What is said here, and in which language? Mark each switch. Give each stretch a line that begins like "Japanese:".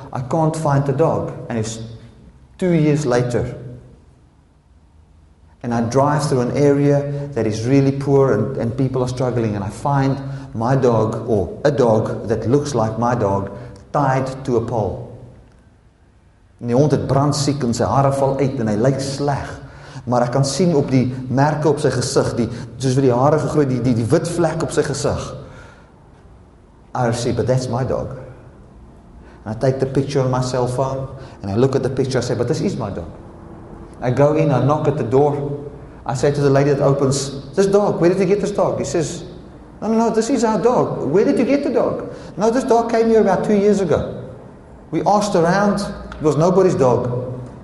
English: I can't find the dog. And it's 2 years later. And I drive through an area that is really poor and people are struggling. And I find my dog, or a dog that looks like my dog, tied to a pole.
Afrikaans: En die hond het brandsiek en sy hare val uit en hy lyk sleg. Maar ek kan sien op die merke op sy gesig, soos wat die hare gegroei, die wit vlek op sy gesig.
English: I say, but that's my dog. And I take the picture on my cell phone and I look at the picture, I say, but this is my dog. I go in, I knock at the door. I say to the lady that opens, this dog, where did you get this dog? He says, no, this is our dog. Where did you get the dog? No, this dog came here about 2 years ago. We asked around, it was nobody's dog.